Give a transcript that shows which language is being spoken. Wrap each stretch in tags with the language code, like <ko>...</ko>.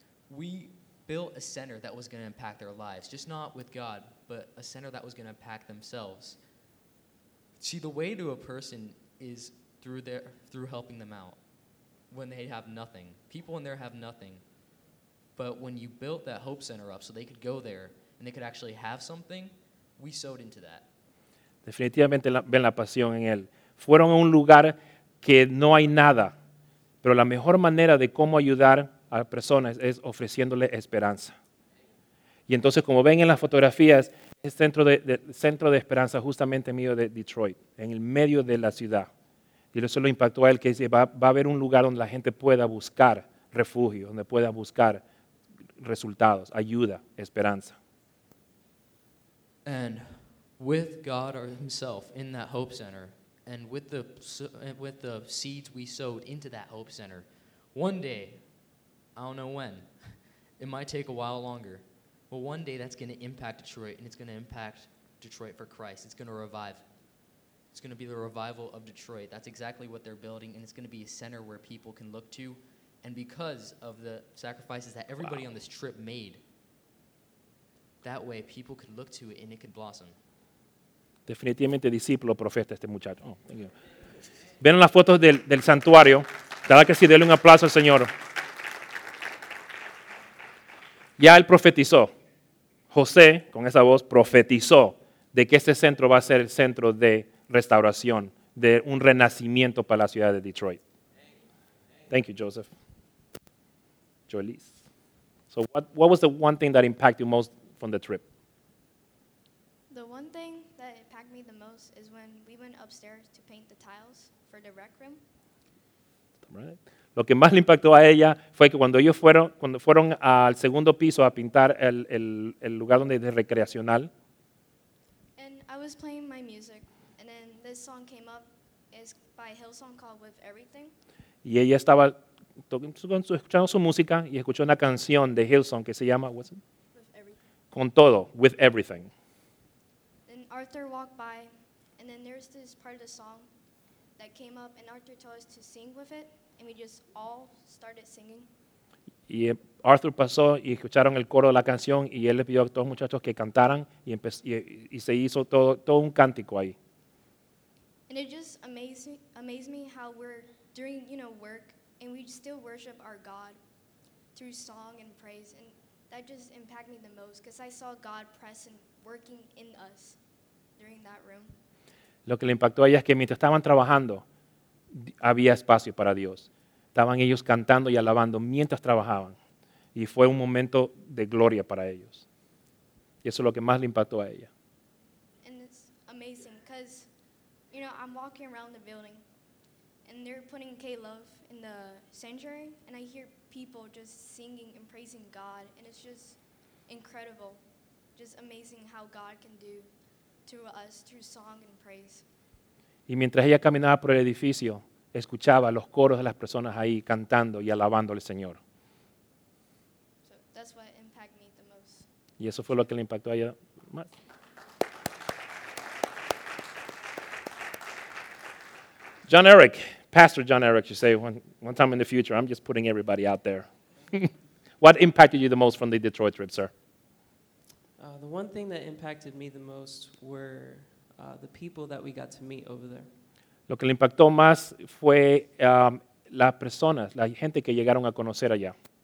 <en>We built a center that was going to impact their lives, just not with God, but a center that was going to impact themselves. See, the way to a person is through helping them out when they have nothing. People in there have nothing. But when you built that Hope Center up so they could go there and they could actually have something, we sowed into that.</en> <es>Definitivamente ven la pasión en él. Fueron a un lugar que no hay nada, pero la mejor manera de cómo ayudar a personas es ofreciéndole esperanza. Y entonces, como ven en las fotografías, es centro de esperanza justamente en medio de Detroit, en el medio de la ciudad. Y eso lo impactó a él, que dice, va a haber un lugar donde la gente pueda buscar refugio, donde pueda buscar resultados, ayuda, esperanza.</es> <en>And with God or himself in that Hope Center, and with the seeds we sowed into that Hope Center, one day, I don't know when, it might take a while longer, but one day that's going to impact Detroit, and it's going to impact Detroit for Christ. It's going to revive. It's going to be the revival of Detroit. That's exactly what they're building, and it's going to be a center where people can look to. And because of the sacrifices that everybody on this trip made, that way people could look to it and it could blossom.</en> <es>Definitivamente discípulo profeta este muchacho.</es> <en>Oh, thank you.</en> <es>Ven las fotos del santuario. Dale que sí, dele un aplauso al Señor. Ya él profetizó. José, con esa voz, profetizó de que este centro va a ser el centro de restauración, de un renacimiento para la ciudad de Detroit.</es> <en>Thank you, Joseph. Joelis. So what was the one thing that impacted you most from the trip? The one thing that impacted me the most is when we went upstairs to paint the tiles for the rec room. Right.</en> <es>Lo que más le impactó a ella fue que cuando ellos fueron, cuando fueron al segundo piso a pintar el lugar donde es recreacional.</es> <en>And I was playing my music and then this song came up, it's by Hillsong called With Everything.</en> <es>Y ella estaba escuchando su música y escuchó una canción de Hillsong que se llama</es> <en>With Everything.</en> <es>Con todo, With Everything.</es> <en>And Arthur walked by and then there's this part of the song that came up and Arthur told us to sing with it. And we just all started singing.</en> <es>Y Arthur pasó y escucharon el coro de la canción y él le pidió a todos los muchachos que cantaran y se hizo todo un cántico ahí.</es> <en>And it just amazed me how we're doing, you know, work and we still worship our God through song and praise. And that just impacted me the most because I saw God present working in us during that room.</en> <es>Lo que le impactó a ella es que mientras estaban trabajando, había espacio para Dios. Estaban ellos cantando y alabando mientras trabajaban. Y fue un momento de gloria para ellos. Y eso es lo que más le impactó a ella.</es> <en>And it's amazing because, you know, I'm walking around the building and they're putting K-Love in the sanctuary and I hear people just singing and praising God and it's just incredible. Just amazing how God can do to us through song and praise.</en> <es>Y mientras ella caminaba por el edificio, escuchaba los coros de las personas ahí cantando y alabando al Señor.</es> <en>So that's what impacted me the most.</en> <es>Y eso fue lo que le impactó a ella más.</es> <en>John Eric, Pastor John Eric, you say one time in the future, I'm just putting everybody out there. What impacted you the most from the Detroit trip, sir? The one thing that impacted me the most were the people that we got to meet over there.</en> <es>Lo que le impactó más fue las personas, la gente que llegaron a conocer allá.</es>